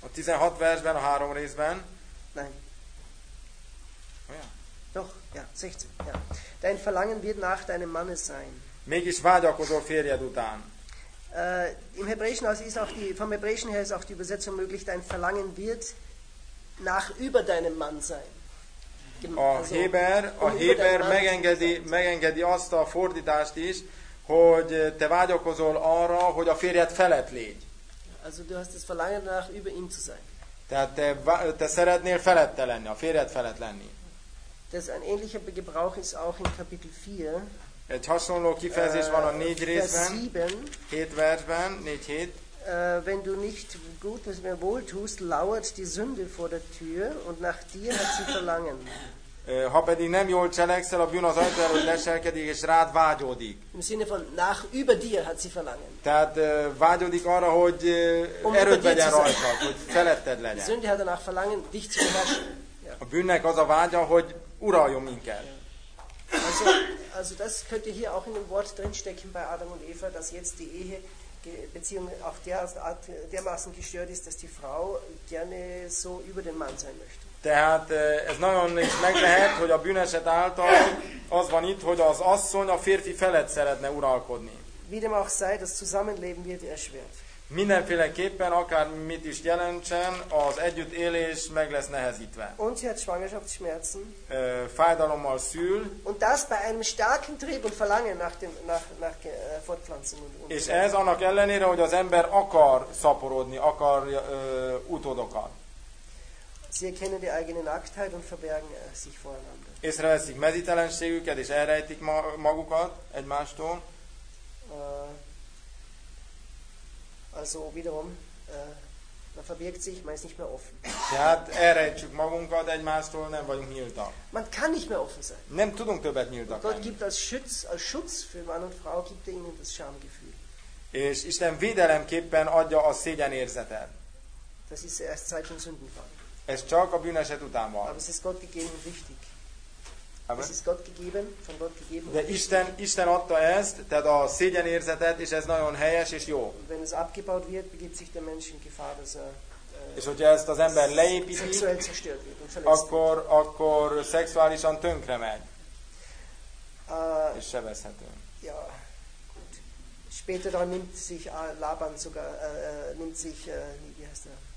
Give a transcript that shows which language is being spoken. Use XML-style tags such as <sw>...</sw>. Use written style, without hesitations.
<hu>A 16 versben, a három részben.</hu> <de>Nein.</de> <hu>Olyan?</hu> <de>Doch, ja, 16, ja. Dein Verlangen wird nach deinem Manne sein.</de> <hu>Mégis vágyakozol férjed után.</hu> <de>Im Hebräischen aus ist auch die, vom Hebräischen her ist auch die Übersetzung möglich, dein Verlangen wird nach über deinem Mann sein.</de> <hu>A Héber megengedi azt a fordítást is, hogy te vágyakozol arra, hogy a férjed felett légy.</hu> <de>Also du hast das Verlangen nach über ihm zu sein.</de> <hu>Tehát te szeretnél felette lenni, a férjed felett lenni.</hu> <de>Das ein ähnlicher Gebrauch ist auch in Kapitel 4.</de> <hu>Egy hasonló kifejezés van a 4 részben. 7 versben, 4-7.</hu> <de>Wenn du nicht Gutes mehr wohltust, lauert die Sünde vor der Tür und nach dir hat sie Verlangen.</de> <hu>Ha pedig nem jól cselekszel, a bűn az ajtó előtt leselkedik és rád vágyódik.</hu> <de>Im Sinne von nach über dir hat sie Verlangen.</de> <hu>Tehát vágyódik arra, hogy erőt vegyen rajtad, hogy feletted legyen.</hu> <de>Die Sünde hat danach Verlangen, dich zu beherrschen.</de> <hu>A bűnnek az a vágya, hogy uraljon minket.</hu> <de>Also das könnte hier auch in dem Wort drinstecken bei Adam und Eva, dass jetzt die Ehe Beziehung auf der Art dermaßen gestört ist, dass die Frau gerne so über den Mann sein möchte.</de> <hu>Tehát ez nagyon is meglehet, hogy a bűneset által az van itt, hogy az asszony a férfi felett szeretne uralkodni.</hu> <de>Wie dem auch sei, das Zusammenleben wird erschwert.</de> <hu>Mindenféleképpen, akármit is jelentsen, az együttélés meg lesz nehezítve.</hu> <de>Und sie hat Schwangerschaftsschmerzen.</de> <hu>Fájdalommal szül.</hu> <de>Und das bei einem starken Trieb und Verlangen nach Fortpflanzung.</de> <hu>És ez annak ellenére, hogy az ember akar szaporodni, akar utódokat.</hu> <de>Sie erkennen die eigene Nacktheit und verbergen sich voreinander.</de> <hu>Észreveszik mezítelenségüket és elrejtik magukat egymástól.</hu> <de>Also wiederum, man verbirgt sich, man ist nicht mehr offen.</de> <hu>Tehát elrejtsük magunkat egymástól, nem vagyunk nyíltak.</hu> <de>Man kann nicht mehr offen sein.</de> <hu>Nem tudunk többet nyíltak lenni.</hu> <de>Gott gibt als Schutz für Mann und Frau, gibt er ihnen das Schamgefühl.</de> <hu>És Isten védelemképpen adja a szégyenérzetet.</hu> <de>Das ist erst seit dem Sündenfall.</de> <hu>Ez csak a bűneset után van.</hu> <de>Aber es ist Gott gegeben, wichtig. Es ist Gott gegeben, von Gott gegeben.</de> <hu>De Isten adta ezt, tehát a szégyenérzetet, és ez nagyon helyes és jó.</hu> <de>Wenn es abgebaut wird, begibt sich der Mensch in Gefahr, dass er</de> <hu>és hogyha ezt az ember leépíti, akkor szexuálisan tönkre megy. És sebezhető.</hu> <de>Ja, gut. Später dann nimmt sich Laban sogar, nimmt sich, wie heißt er?</de>